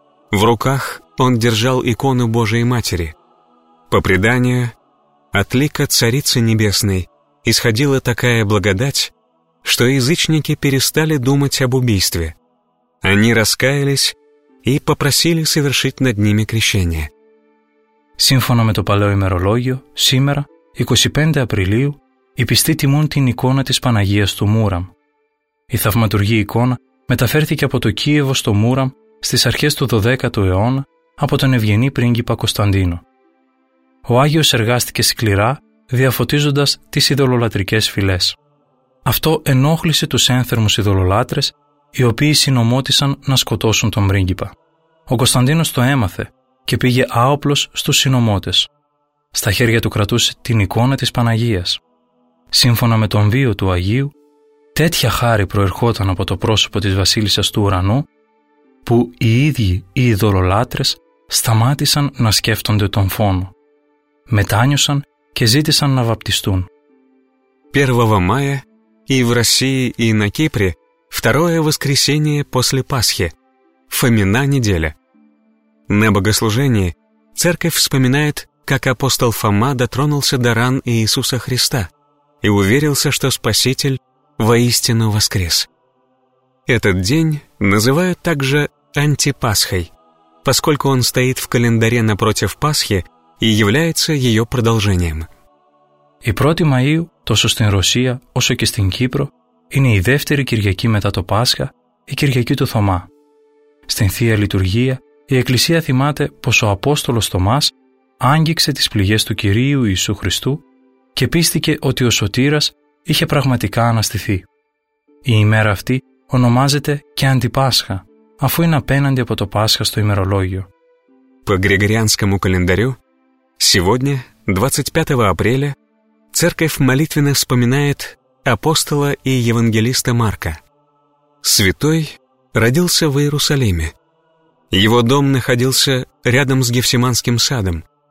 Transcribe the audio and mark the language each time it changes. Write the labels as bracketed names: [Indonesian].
[Russian] В руках он держал икону Божией Матери. По преданию, от лика Царицы Небесной исходила такая благодать, что язычники перестали думать об убийстве. Они раскаялись и попросили совершить над ними крещение. [Greek] Σύμφωνα με το παλαιό ημερολόγιο, σήμερα, 25 Απριλίου, οι πιστοί τιμούν την εικόνα της Παναγίας του Μούραμ. Η θαυματουργή εικόνα μεταφέρθηκε από το Κίεβο στο Μούραμ στις αρχές του 12ου αιώνα από τον ευγενή πρίγκιπα Κωνσταντίνο. Ο Άγιος εργάστηκε σκληρά, διαφωτίζοντας τις ειδωλολατρικές φυλές. Αυτό ενόχλησε τους ένθερμους ειδωλολάτρες, οι οποίοι συνωμότησαν να σκοτώσουν τον πρίγκιπα. Ο Κωνσταντίνος το έμαθε και πήγε άοπλος στους συνωμότες. Στα χέρια του κρατούσε την εικόνα της Παναγίας. Σύμφωνα με τον βίο του Αγίου, τέτοια χάρη προερχόταν από το πρόσωπο της Βασίλισσας του Ουρανού, που οι ίδιοι οι ειδωλολάτρες σταμάτησαν να σκέφτονται τον φόνο. Μετάνιωσαν και ζήτησαν να βαπτιστούν. 1 Μάια, η Βρασία ή η Κύπρη, [Russian] 2 Воскресение после Пасхи, Фомина неделя. На богослужении церковь вспоминает, как апостол Фома дотронулся до ран Иисуса Христа и уверился, что Спаситель воистину воскрес. Этот день называют также антипасхой, поскольку он стоит в календаре напротив Пасхи и является ее продолжением. [Greek] И 1 Мая, тосо στην Ρωσία, όσο και στην Κύπρο, είναι η δεύτερη Κυριακή μετά το Πάσχα, η Κυριακή του Θωμά. Στην Θεία Λειτουργία, η Εκκλησία θυμάται πως ο Απόστολος Θωμάς άγγιξε τις πληγές του Κυρίου Ιησού Χριστού και πίστηκε ότι ο Σωτήρας είχε πραγματικά αναστηθεί. Η ημέρα αυτή ονομάζεται και Αντιπάσχα, αφού είναι απέναντι από το Πάσχα στο ημερολόγιο. [Russian] По Григорианскому календарю, сегодня, 25 апреля, церковь молитвенно вспоминает апостола и евангелиста Марка. Святой родился в Иерусалиме. Его дом находился рядом с Гефсиманским садом.